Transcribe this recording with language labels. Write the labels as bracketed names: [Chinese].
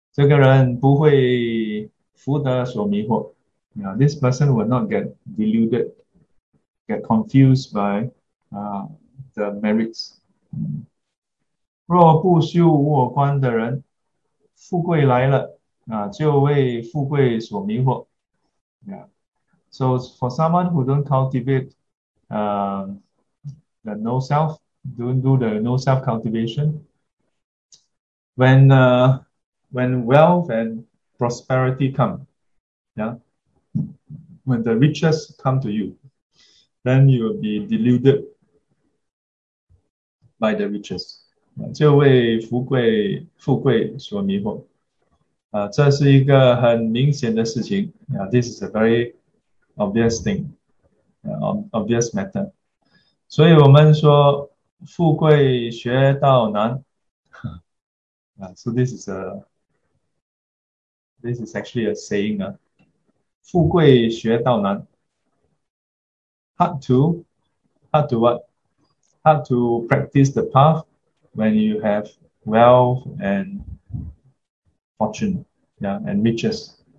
[English] So, yeah, this person will not get deluded, get confused by the merits. [Chinese] 若不修我观的人,富贵来了,就为富贵所迷惑. [English] Yeah. So for someone who don't cultivate the no-self, don't do the no-self cultivation, When wealth and prosperity come, yeah, when the riches come to you, then you will be deluded by the riches. [Chinese] 就为富贵所迷惑. 这是一个很明显的事情. [English] Yeah, this is a very obvious thing, obvious matter. [Chinese] 所以我们说富贵学道难. [English] So this is a this is actually a saying. Fu gui xue dao nan. Hard to what? Hard to practice the path when you have wealth and fortune, yeah, and riches.